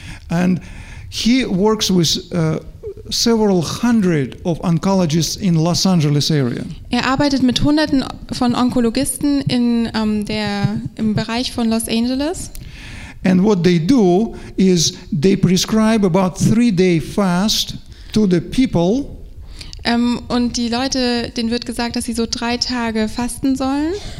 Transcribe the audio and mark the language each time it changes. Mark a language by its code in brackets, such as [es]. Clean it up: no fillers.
[en] And he works with several hundred of oncologists in Los Angeles area. [de] Er arbeitet mit hunderten von Onkologisten in im Bereich von Los Angeles. [en] And what they do is they prescribe about 3-day fast to the people. [de] Und die Leute, denen wird gesagt, dass sie so 3 Tage fasten sollen.